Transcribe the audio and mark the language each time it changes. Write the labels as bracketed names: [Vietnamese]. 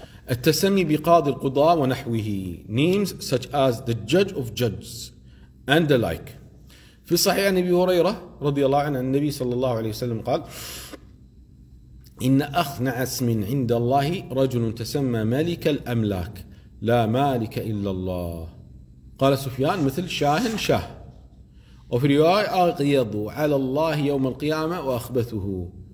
[Arabic] التسمي بقاضي القضاء ونحوه. [English] Names such as the judge of judges and the like. [Arabic] في صحيح نبي هريرة رضي الله عنه النبي صلى الله عليه وسلم قال إن أخنع اسم عند الله رجل تسمى مالك الأملاك لا مالك إلا الله. قال سفيان مثل شاهن شاه. وفي رواية أغيض على الله يوم القيامة وأخبثه.